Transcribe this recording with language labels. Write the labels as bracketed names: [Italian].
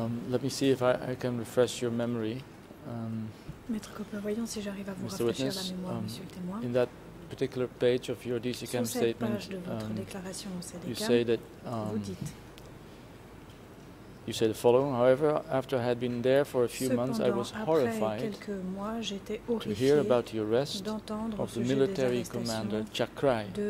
[English] Let me see if I can refresh your memory. [French] Maître Copper, voyons si j'arrive à vous rafraîchir la mémoire, Monsieur le Témoin. [English] In that particular page of your DC CAM statement, you say that you say the following. However, after I had been there for a few months, I was horrified to hear about the arrest of the military commander Chakrai.